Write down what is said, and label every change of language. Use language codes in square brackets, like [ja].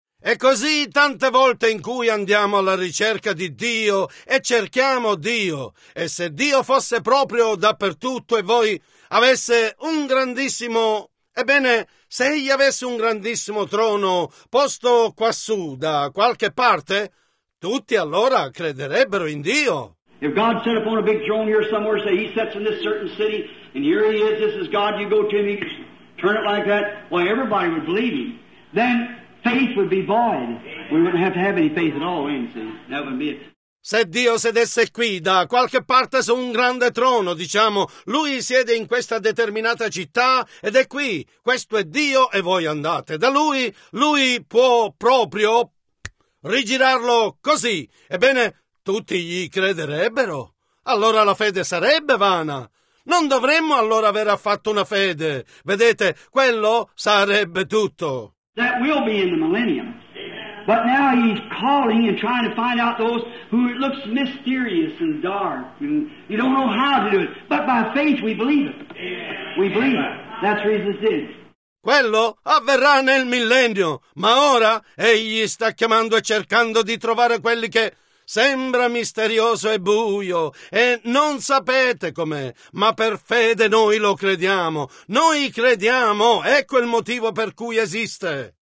[it] E così tante volte in cui andiamo alla ricerca di Dio e cerchiamo Dio, e se Dio fosse proprio dappertutto e voi avesse un grandissimo, ebbene, se egli avesse un grandissimo trono posto quassù da qualche parte, tutti allora crederebbero in Dio. [en] If God set up on a big throne here somewhere, say he sets in this certain city, and here he is, this is God, you go to him, you turn it like that, well, everybody would believe him. Then faith would be void. We wouldn't have to have any faith at all, then, see? That would be it. [it] Se Dio sedesse qui, da qualche parte su un grande trono, diciamo, lui siede in questa determinata città ed è qui, questo è Dio e voi andate. Da lui, lui può proprio rigirarlo così. Ebbene, tutti gli crederebbero. Allora la fede sarebbe vana. Non dovremmo allora aver affatto una fede. Vedete, quello sarebbe tutto. [en] That will be in the millennium. But now he's calling and trying to find out those who it looks mysterious and dark. And you don't know how to do it. But by faith we believe it. We believe it. That's the reason it is. [it] Quello avverrà nel millennio. Ma ora egli sta chiamando e cercando di trovare quelli che sembra misterioso e buio, e non sapete com'è, ma per fede noi lo crediamo. Noi crediamo, ecco il motivo per cui esiste.